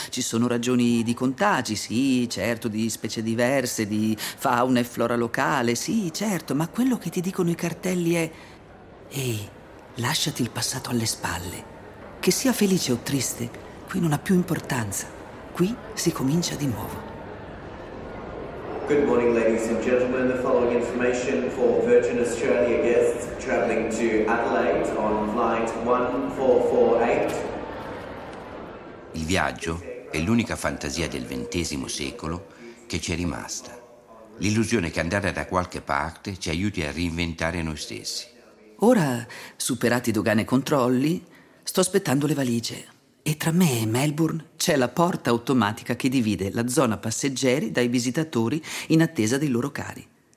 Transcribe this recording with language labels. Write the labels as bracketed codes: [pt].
[it] Ci sono ragioni di contagi, sì, certo, di specie diverse, di fauna e flora locale, sì, certo. Ma quello che ti dicono i cartelli è: ehi, lasciati il passato alle spalle. Che sia felice o triste, qui non ha più importanza. Qui si comincia di nuovo. [en] Good morning, ladies and gentlemen. The following information for Virgin Australia guests traveling to Adelaide on flight 1448. [it] Il viaggio è l'unica fantasia del XX secolo che ci è rimasta. L'illusione che andare da qualche parte ci aiuti a reinventare noi stessi. Ora, superati dogane e controlli, sto aspettando le valigie. E tra me e Melbourne c'è la porta automatica che divide la zona passeggeri dai visitatori in attesa dei loro cari.